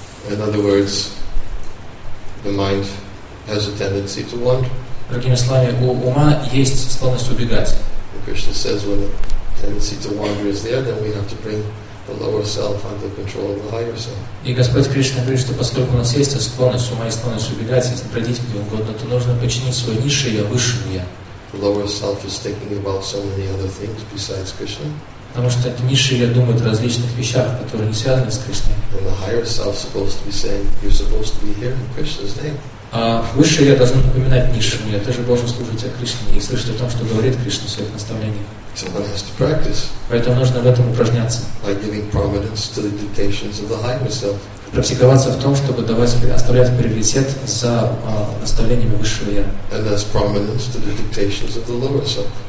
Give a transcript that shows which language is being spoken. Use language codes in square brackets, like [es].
[en] In other words, the mind has a tendency to wander. [ru] Другими словами, у ума есть склонность убегать. [en] And Krishna says when the tendency to wander is there, then we have to bring the lower self under control of the higher self. [ru] И Господь Кришна говорит, что поскольку у нас есть склонность ума и склонность убегать, если пройдите где угодно, то нужно подчинить свое низшее я высшему я. [en] The lower self is thinking about so many other things besides Krishna. [ru] Потому что низшее я думает о различных вещах, которые не связаны с Кришной. [en] And the higher self is supposed to be saying, you're supposed to be hearing Krishna's name. [ru] А высшее я должно напоминать низшему я, ты же должен служить о Кришне и слышать о том, что говорит Кришна в своих наставлениях. [en] So one has to practice. [ru] Поэтому нужно в этом упражняться. [en] By giving prominence to the dictations of the higher self. [ru] Практиковаться в том, чтобы давать, оставлять приоритет за наставлениями высшего я. [en] And that's prominence to the dictations of the lower self.